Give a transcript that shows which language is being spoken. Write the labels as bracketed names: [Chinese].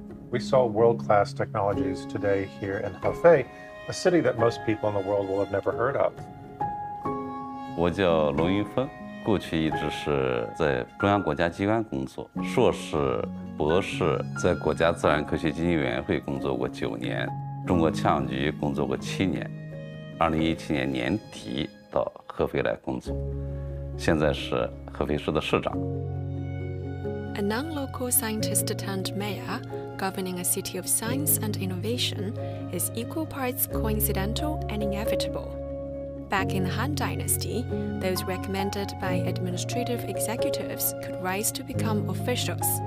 [English] We saw world-class technologies today here in Hefei, a city that most people in the world will have never heard of. [Chinese] 我叫龙云峰，过去一直是在中央国家机关工作，硕士。博士在国家自然科学基金委员会工作过9年，中国气象局工作过7年，2017年年底到合肥来工作，现在是合肥市的市长。 [English] A non-local scientist turned mayor, governing a city of science and innovation, is equal parts coincidental and inevitable. Back in the Han Dynasty, those recommended by administrative executives could rise to become officials.